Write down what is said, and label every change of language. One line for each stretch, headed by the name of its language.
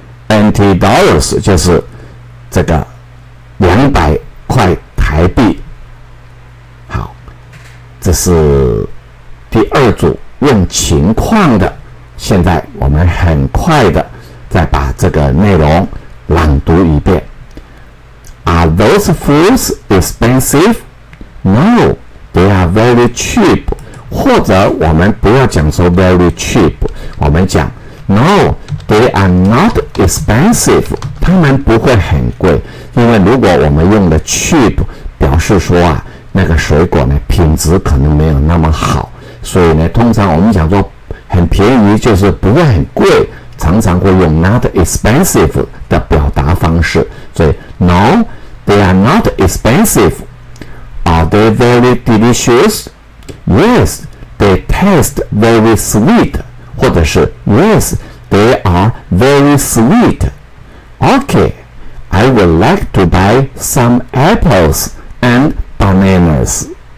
Chinese: NT dollars 就是这个。200块台币。好，这是第二组。问情况的。现在我们很快的再把这个内容朗读一遍。
English: Are those foods expensive? No, they are very cheap.
Chinese: 或者我们不要讲说 very cheap, 我们讲
English: No, they are not expensive.
Chinese: 他们不会很贵，因为如果我们用的 cheap 表示说啊，那个水果呢品质可能没有那么好，所以呢通常我们讲说很便宜就是不会很贵，常常会用 not expensive 的表达方式。
English: 所以 No, they are not expensive. Are they very delicious? Yes, they taste very sweet.
Chinese: 或者是
English: Yes, they are very sweet. Okay, I would like to buy some apples and bananas.